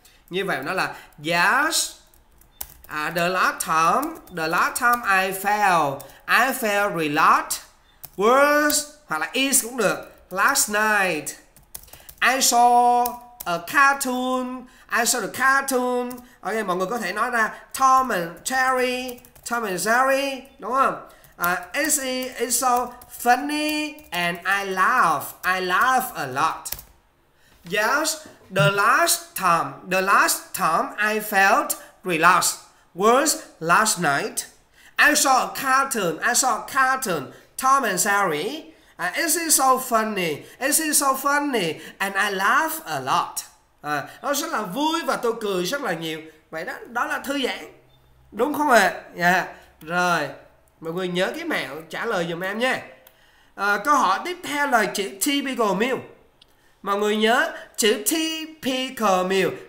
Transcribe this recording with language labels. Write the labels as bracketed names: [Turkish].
[Vietnamese] Như vậy nó là [English] yes. The last time I felt relaxed was, [Vietnamese] hoặc là [English] is [Vietnamese] cũng được. [English] Last night, I saw the cartoon. [Vietnamese] Ok, mọi người có thể nói ra Tom and Jerry, đúng không? [English] It's so funny and I laugh a lot. Yes, the last time I felt relaxed was last night. I saw a cartoon, Tom and Jerry. It is so funny, and I laugh a lot. [Vietnamese] Nó rất là vui và tôi cười rất là nhiều. Vậy đó, đó là thư giãn. Đúng không ạ? Rồi, mọi người nhớ cái mẹo trả lời giùm em nha. Câu hỏi tiếp theo là chữ typical meal. Mọi người nhớ chữ typical meal.